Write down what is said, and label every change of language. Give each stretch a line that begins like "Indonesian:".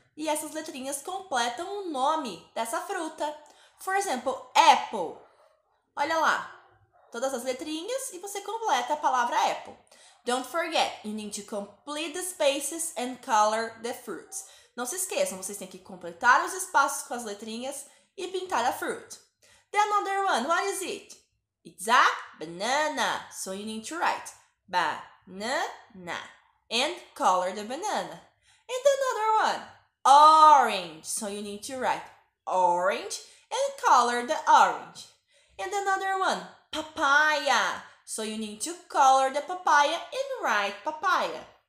Portuguese: E essas letrinhas completam o nome dessa fruta.
English: For example, apple.
Portuguese: Olha lá. Todas as letrinhas e você completa a palavra apple.
English: Don't forget, you need to complete the spaces and color the fruits.
Portuguese: Não se esqueçam, vocês têm que completar os espaços com as letrinhas e pintar a fruit.
English: The another one, what is it? It's a banana. So you need to write banana and color the banana. And another one, orange. So you need to write orange and color the orange. And another one, papaya. So you need to color the papaya and write papaya.